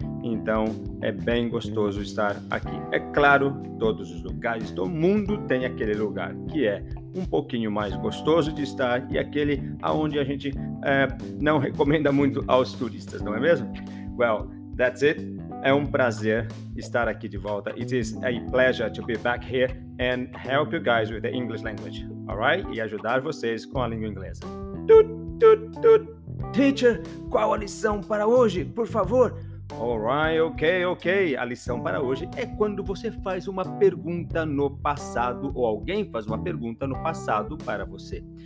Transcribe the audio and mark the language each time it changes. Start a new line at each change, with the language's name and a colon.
Portuguese: Então, é bem gostoso estar aqui. É claro, todos os lugares do mundo têm aquele lugar que é um pouquinho mais gostoso de estar e aquele onde a gente não recomenda muito aos turistas, não é mesmo?
English: Well, that's it.
Portuguese: É um prazer estar aqui de volta.
English: It is a pleasure to be back here and help you guys with the English language, alright?
Portuguese: E ajudar vocês com a língua inglesa. Teacher, qual a lição para hoje, por favor?
English: Alright, ok.
Portuguese: A lição para hoje é quando você faz uma pergunta no passado ou alguém faz uma pergunta no passado para você.